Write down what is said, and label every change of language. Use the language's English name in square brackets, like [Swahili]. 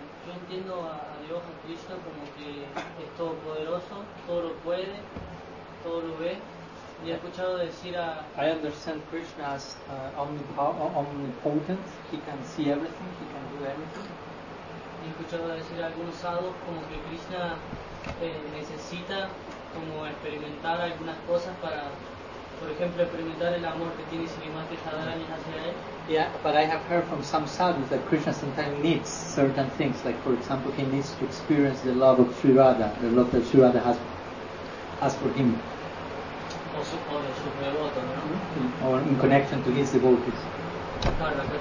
[Spanish] Entiendo a Dios, a Krishna, como que es todopoderoso, todo lo puede, todo lo ve. Y he escuchado decir a... [English] I understand Krishna as omnipotent, he can see everything, he can do everything. [Spanish] He escuchado decir a algunos sadhus como que Krishna necesita como experimentar algunas cosas para, por ejemplo, experimentar el amor que tiene Srimati Radharani hacia él. [English] Yeah, but I have heard from some sadhus that Krishna sometimes needs certain things, like for example, he needs to experience the love of Sri Radha, the love that Sri Radha has for him. Mm-hmm. Or in connection to his devotees.